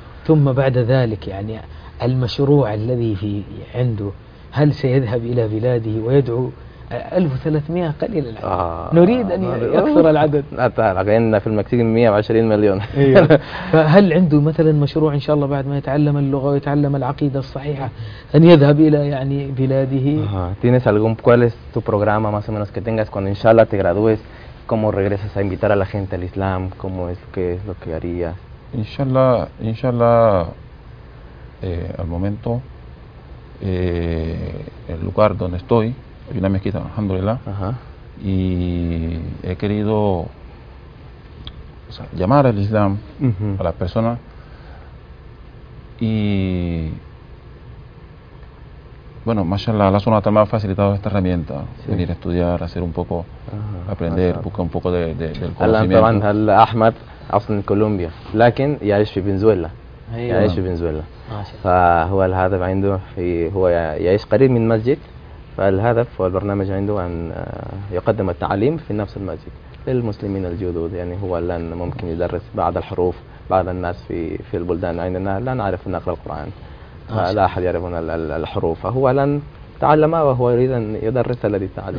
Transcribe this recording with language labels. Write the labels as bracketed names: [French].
[Arabic] ثم بعد ذلك يعني المشروع الذي في عنده هل سيذهب إلى بلاده ويدعو 1300 قليل العدد نريد أن يكثر العدد لا تعلق إن في المكسيك 120 مليون فهل عنده مثلا مشروع إن شاء الله بعد ما يتعلم اللغة ويتعلم العقيدة الصحيحة أن يذهب إلى يعني بلاده [Spanish] tienes algún cuál es tu programa más o menos que tengas cuando inshallah te gradúes cómo regresas a invitar a la gente al Islam cómo es que es lo que harías inshallah inshallah al momento el lugar donde estoy y una mezquita, alhamdulillah. Ajá. Y he querido llamar al Islam a las personas y bueno, mashallah, la zona también ha facilitado esta herramienta, sí. Venir a estudiar, hacer un poco, ajá, aprender, ajá. Buscar un poco del conocimiento. [Arabic] Al Ahmad, en Colombia, لكن يعيش في فنزويلا. يعيش في فنزويلا. فهو الهدف عنده في هو يعيش قريب من مسجد. فالهدف والبرنامج عنده أن يقدم التعليم في نفس المسجد للمسلمين الجدد يعني هو لن ممكن يدرس بعض الحروف بعض الناس في البلدان عندنا لا نعرف نقرأ القرآن فلا أحد يعرفون الحروف فهو لن تعلم وهو يريد أن يدرس الذي تعلم